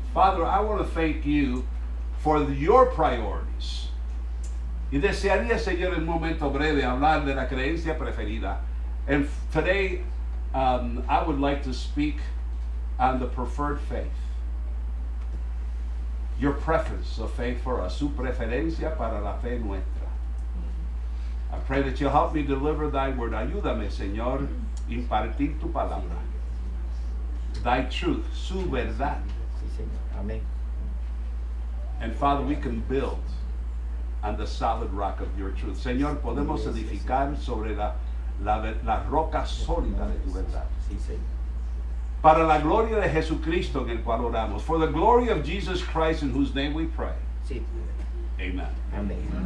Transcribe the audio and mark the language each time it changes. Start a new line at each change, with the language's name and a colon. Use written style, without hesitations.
English: Father, I want to thank you for your priorities.
Spanish: Y desearía, Señor, en un momento breve hablar de la creencia preferida.
English: And today, I would like to speak on the preferred faith. Your preference of faith for us.
Spanish: Su preferencia para la fe nuestra.
English: I pray that you'll help me deliver thy word.
Spanish: Ayúdame, Señor, impartir tu palabra.
English: Thy truth,
Spanish: su verdad. Sí, Señor. Amén.
English: And Father, we can build on the solid rock of your truth.
Spanish: Señor, podemos edificar sobre la roca sólida de tu verdad. Sí, Señor. Para la gloria de Jesucristo en el cual oramos.
English: For the glory of Jesus Christ in whose name we pray.
Spanish: Sí.
English: Amen.
Spanish: Amén.